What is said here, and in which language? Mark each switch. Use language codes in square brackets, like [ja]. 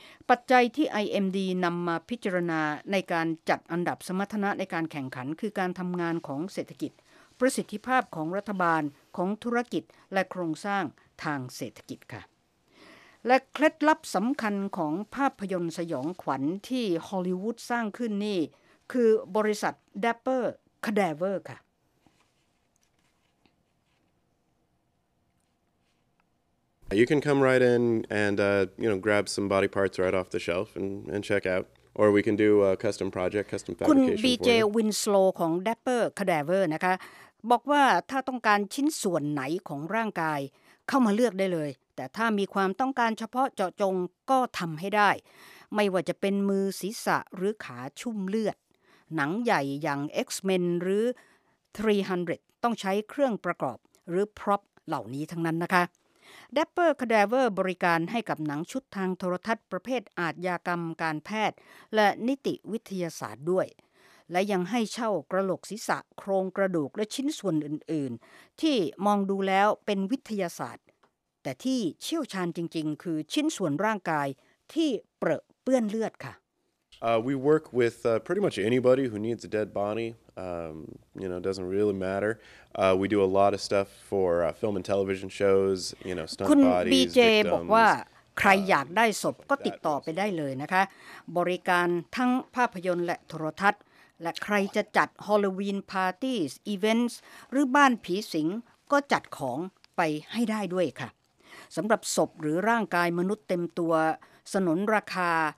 [th] ปัจจัยที่ IMD นำมาพิจารณาในการจัดอันดับสมรรถนะในการแข่งขันคือการทำงานของเศรษฐกิจประสิทธิภาพของรัฐบาลของธุรกิจและโครงสร้างทางเศรษฐกิจค่ะและเคล็ดลับสำคัญของภาพยนตร์สยองขวัญที่ฮอลลีวูดสร้างขึ้นนี่คือบริษัท Dapper Cadaver ค่ะ [en] You can come right in and you know grab some body parts right off the shelf and check out or we can do a custom project custom fabrication [th] คุณ BJ Winslow ของ Dapper Cadaver นะคะบอกว่าถ้าต้องการชิ้นส่วนไหนของร่างกายเข้ามาเลือกได้เลยแต่ถ้ามีความต้องการเฉพาะเจาะจงก็ทำให้ได้ไม่ว่าจะเป็นมือศีรษะหรือขาชุ่มเลือดหนังใหญ่อย่าง X-Men หรือ 300ต้องใช้เครื่องประกอบหรือ prop เหล่านี้ทั้งนั้นนะคะDapper Cadaver บริการให้กับหนังชุดทางโทรทัศน์ประเภทอาชญากรรมการแพทย์และนิติวิทยาศาสตร์ด้วยและยังให้เช่ากระโหลกศีรษะโครงกระดูกและชิ้นส่วนอื่นๆที่มองดูแล้วเป็นวิทยาศาสตร์แต่ที่เชี่ยวชาญจริงๆคือชิ้นส่วนร่างกายที่เปื้อนเลือดค่ะ [en] We work with pretty much anybody who needs a dead bodyyou know, it doesn't really matter. We do a lot of stuff for film and television shows, you know, stunt bodies, victims. [th] คุณ BJ บอกว่าใครอยากได้ศพก็ติดต่อไปได้เลยนะคะบริการทั้งภาพยนตร์และโทรทัศน์และใครจะจัดฮอลลีวีนพาร์ตี้อีเวนต์หรือบ้านผีสิงก็จัดของไปให้ได้ด้วยค่ะสำหรับศพหรือร่างกายมนุษย์เต็มตัวสนนราคา